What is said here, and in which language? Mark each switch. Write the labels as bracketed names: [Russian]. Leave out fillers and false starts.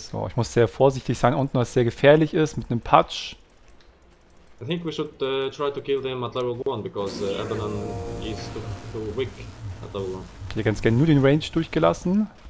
[German] So, ich muss sehr vorsichtig sein unten, weil es sehr gefährlich ist mit einem Patch. [English] I think we should try to kill them at level 1, because Abaddon is too weak at level 1. [German] Ich hätte ganz gerne nur den Range durchgelassen.